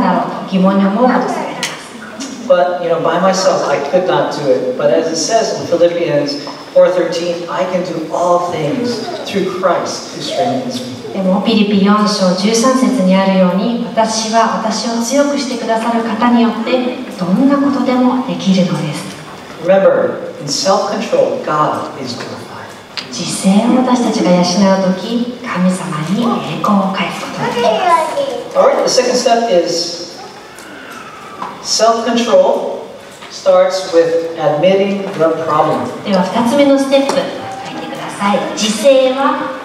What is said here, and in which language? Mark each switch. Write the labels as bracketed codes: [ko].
[ja] なぜ神様は私たち夫婦をこの役割に選んだんだろうと疑問に思うことされています。 [en] But, you know, by myself, I could not do it. But as it says in Philippians 4:13, I can do all things through Christ who strengthens me. [ja] でもピリピ4章13節にあるように、私は私を強くしてくださる方によってどんなことでもできるのです。 [en] Remember, in self-control, God is glorified. [ja] 自制を私たちが養うとき、神様に栄光を返すことができます。 [en] Alright, the second step is self-control starts with admitting the problem. [ja] では2つ目のステップ、書いてください。自制は